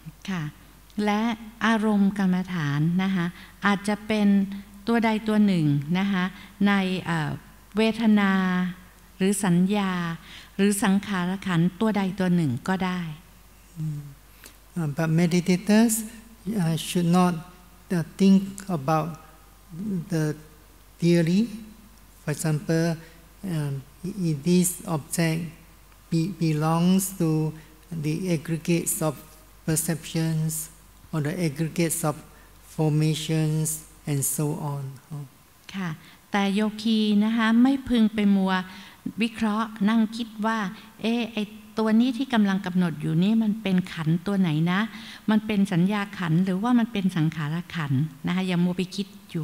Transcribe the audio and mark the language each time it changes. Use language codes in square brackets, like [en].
[th] ค่ะและอารมณ์กรรมฐานนะคะอาจจะเป็นตัวใดตัวหนึ่งนะคะในเวทนาหรือสัญญาหรือสังขารขันธ์ตัวใดตัวหนึ่งก็ได้ [en] But meditators should not think about the theory. For example, if this object belongs to the aggregates of perceptions or the aggregates of formations and so on. [th] ค่ะแต่โยคีนะคะไม่พึงไปมัววิเคราะห์นั่งคิดว่าเอไอตัวนี้ที่กำลังกำหนดอยู่นี่มันเป็นขันตัวไหนนะมันเป็นสัญญาขันหรือว่ามันเป็นสังขารขันนะคะอย่ามัวไปคิดอยู